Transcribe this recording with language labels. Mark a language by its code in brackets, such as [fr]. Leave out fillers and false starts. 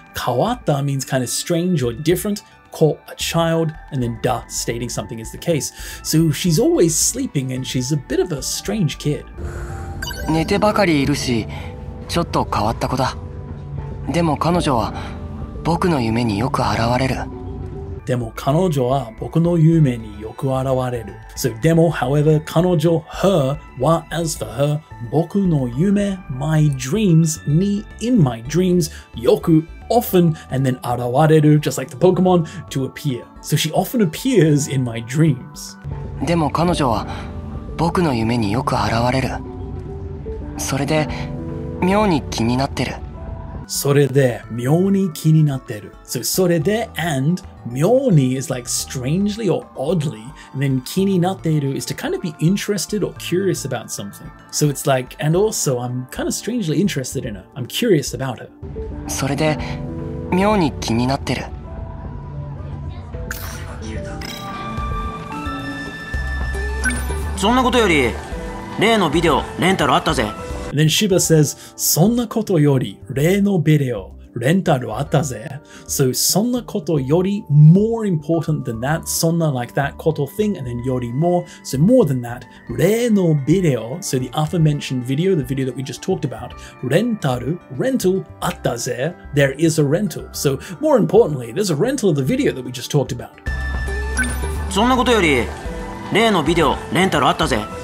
[en] 変わった means kind of strange or different. こ, a child, and then da, stating something is the case. So she's always sleeping and she's a bit of a strange kid. [ja] 寝てばかりいるし、ちょっと変わった子だ。でも彼女は僕の夢によく現れる。でも彼女は僕の夢によく現れる。 [en] So, でも however, 彼女 her, は as for her, 僕の夢 my dreams, me in my dreams, よく often, and then 現れる just like the Pokemon, to appear. So she often appears in my dreams. [ja] でも彼女は僕の夢によく現れる。それで妙に気になってる。それで妙に気になってる。 [en] So それで and 妙に is like strangely or oddly, and then 気になってる is to kind of be interested or curious about something. So it's like, and also I'm kind of strangely interested in her. I'm curious about her. [ja] それで妙に気になってる。そんなことより例のビデオレンタルあったぜ。 [en] And then Shiba says, [ja] そんなことより例のビデオレンタルあったぜ。 [en] So, そんなことより more important than that, そんな like that koto thing, and then より more, so more than that, 例のビデオ so the aforementioned video, the video that we just talked about, レンタル rental あったぜ there is a rental. So, more importantly, there's a rental of the video that we just talked about. [ja] そんなことより例のビデオレンタルあったぜ。